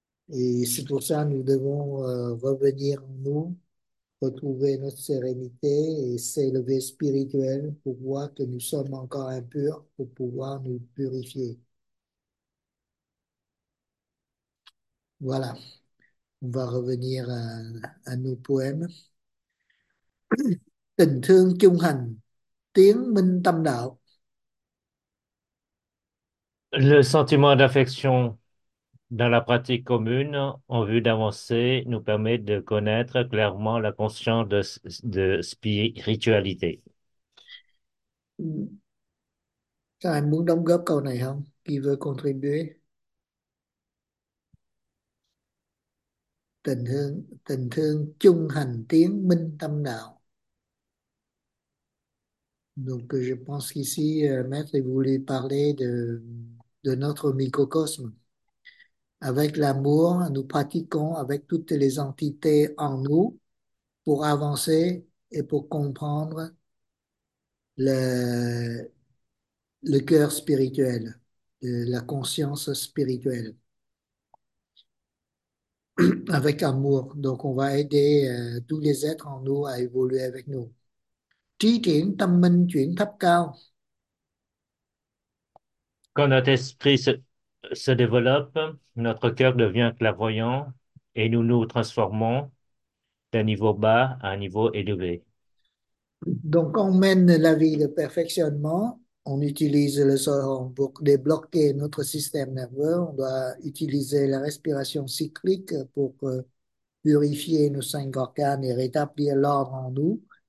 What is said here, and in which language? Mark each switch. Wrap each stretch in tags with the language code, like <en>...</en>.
<fr>Et c'est pour ça que nous devons revenir en nous, retrouver notre sérénité et s'élever spirituel pour voir que nous sommes encore impurs, pour pouvoir nous purifier. Voilà. On va revenir à nos poèmes.</fr> <vi>Tình thương chung hành, tiếng minh tâm đạo.</vi> <fr>Le sentiment d'affection dans la pratique commune en vue d'avancer nous permet de connaître clairement la conscience de spiritualité.</fr> <vi>Có ai muốn đóng góp câu này không?</vi> <fr>Qui veut contribuer?</fr> <vi>Tình thương chung hành tiến minh tâm đạo.</vi> <fr>Donc, je pense qu'ici, Maître, il voulait parler de notre microcosme. Avec l'amour, nous pratiquons avec toutes les entités en nous pour avancer et pour comprendre le cœur spirituel, la conscience spirituelle. Avec amour, donc on va aider tous les êtres en nous à évoluer avec nous.</fr> <vi>trí triển tâm minh chuyển thấp cao.</vi> <fr>Quand notre esprit se développe, notre cœur devient clairvoyant et nous nous transformons d'un niveau bas à un niveau élevé. Donc, on mène la vie de perfectionnement, on utilise le sol pour débloquer notre système nerveux, on doit utiliser la respiration cyclique pour purifier nos cinq organes et rétablir l'ordre en nous.</fr>